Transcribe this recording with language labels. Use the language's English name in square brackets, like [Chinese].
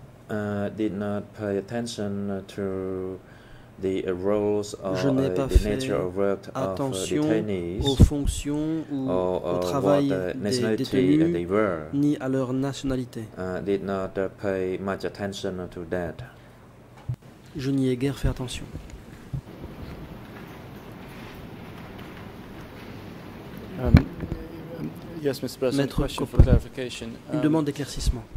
[English] I did not pay attention to the roles or [French] je n'ai pas [English] the nature [French] fait [English] of work [French] attention [English] of detainees, [French] aux fonctions ou au travail des détenus, ni à leur nationalité. [English] I did not pay much attention to that. [French] Je n'y ai guère fait attention. [English] Yes, Mr. President. [French] Maître [English] question Copa, for clarification. [French] Une demande d'éclaircissement.